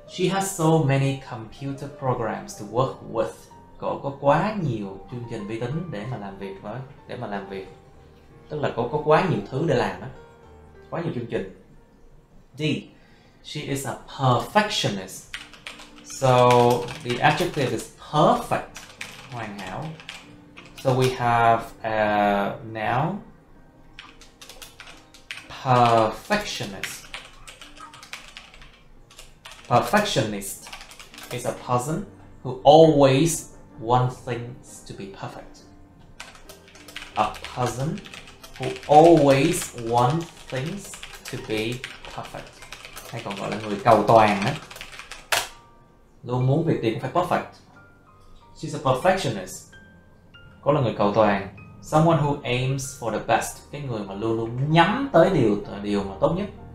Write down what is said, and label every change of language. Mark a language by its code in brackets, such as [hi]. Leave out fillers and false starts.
[en] She has so many computer programs to work with. [vi] Cô có quá nhiều chương trình vi tính để mà làm việc với. Tức là cô có quá nhiều thứ để làm á. Quá nhiều chương trình. [en] D. She is a perfectionist. So, the adjective is perfect. [vi] Hoàn hảo. [en] So, we have a noun. perfectionist. Perfectionist is a person who always wants things to be perfect. A person who always wants things to be perfect. [vi] Hay còn gọi là người cầu toàn ấy. Luôn muốn việc gì cũng phải perfect. [en] She's a perfectionist. [vi] Có là người cầu toàn. [en] Someone who aims for the best. [vi] Cái người mà luôn luôn nhắm tới điều mà tốt nhất.